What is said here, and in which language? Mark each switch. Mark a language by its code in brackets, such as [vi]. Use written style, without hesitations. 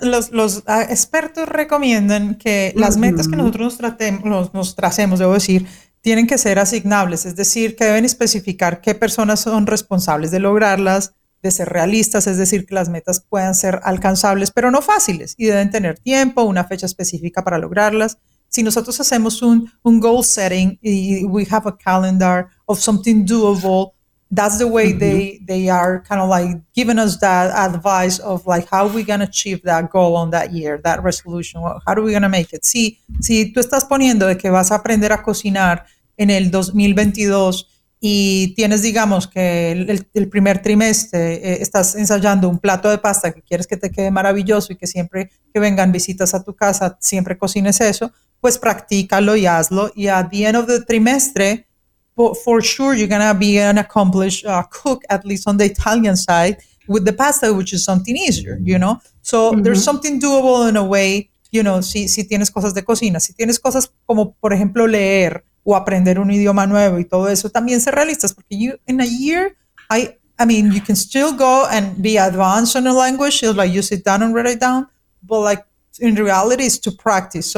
[es] Los expertos recomiendan que las metas, mm-hmm, que nosotros nos tracemos, debo decir, tienen que ser asignables. Es decir, que deben especificar qué personas son responsables de lograrlas, de ser realistas, es decir, que las metas puedan ser alcanzables, pero no fáciles, y deben tener tiempo, una fecha específica para lograrlas. Si nosotros hacemos un goal setting, y [en] we have a calendar of something doable, that's the way, mm-hmm, they are kind of like giving us that advice of like how we're going to achieve that goal on that year, that resolution, how are we going to make it? [es] Si tú estás poniendo de que vas a aprender a cocinar en el 2022, y tienes, digamos, que el primer trimestre estás ensayando un plato de pasta que quieres que te quede maravilloso y que siempre que vengan visitas a tu casa siempre cocines eso, pues practícalo y hazlo. [en] Y at the end of the trimestre, for sure, you're going to be an accomplished cook, at least on the Italian side, with the pasta, which is something easier, you know? So mm-hmm, there's something doable in a way, you know, [es] si tienes cosas de cocina. Si tienes cosas como, por ejemplo, leer, o aprender un idioma nuevo y todo eso, también ser realistas, porque [en] you, in a year, I mean, you can still go and be advanced in a language, it's like you sit down and write it down, but like, in reality, it's to practice.